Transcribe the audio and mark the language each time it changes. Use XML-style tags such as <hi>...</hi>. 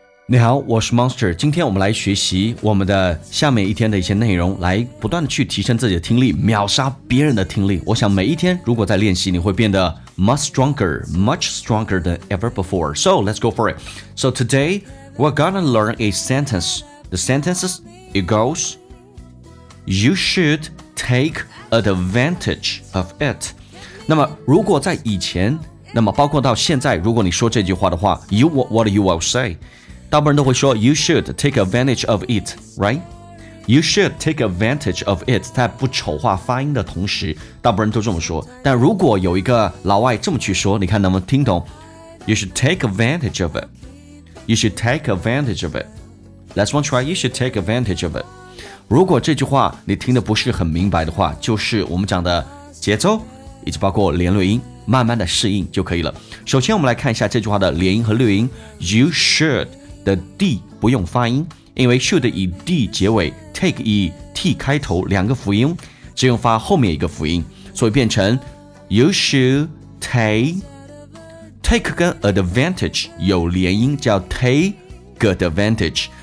<zh>你好，我是 Monster。今天我们来学习我们的下面一天的一些内容，来不断的去提升自己的听力，秒杀别人的听力。我想每一天如果在练习，你会变得</zh> <en>much stronger than ever before. So let's go for it. So today we're gonna learn a sentence. The sentence it goes, You should take advantage of it.</en> <zh>那么如果在以前，那么包括到现在，如果你说这句话的话，</zh> <en>what you will say?</en> <zh>大部分人都会说</zh> <en>You should take advantage of it, right? You should take advantage of it.</en> <zh>在不丑化发音的同时，大部分人都这么说。但如果有一个老外这么去说，你看能不能听懂？</zh> <en>You should take advantage of it. You should take advantage of it. Let's one try. You should take advantage of it.</en> <zh>如果这句话你听得不是很明白的话，就是我们讲的节奏，以及包括连略音，慢慢的适应就可以了。首先我们来看一下这句话的连音和略音。You should的 D 不用发音，因为 should 以 D 结尾， take 以 T 开头，两个辅音只用发后面一个辅音，所以变成</zh> <en>You should take</en> <zh>跟 advantage 有连音，叫 take advantage。</zh>